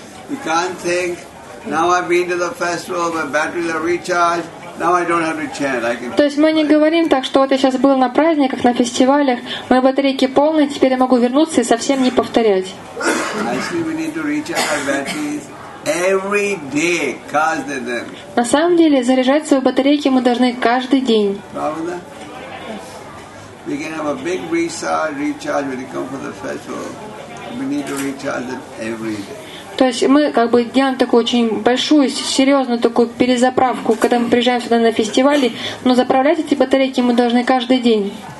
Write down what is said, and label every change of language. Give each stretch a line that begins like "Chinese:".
English: You can't think, now I've been to the festival, my batteries are recharged. Now I don't have to chant.
Russian: То есть мы не говорим так, что вот я сейчас был на праздниках, на фестивалях, мои батарейки полные, теперь я могу вернуться и совсем не повторять.
English: Actually, we need to recharge our batteries Every day, constantly.
Russian: На самом деле, заряжать свои батарейки мы должны каждый день. Правда?
English: We can have a big recharge when you come for the festival. We need to recharge them every day.
Russian: То есть мы как бы делаем такую очень большую, серьезную такую перезаправку, когда мы приезжаем сюда на фестивали, но заправлять эти батарейки мы должны каждый день.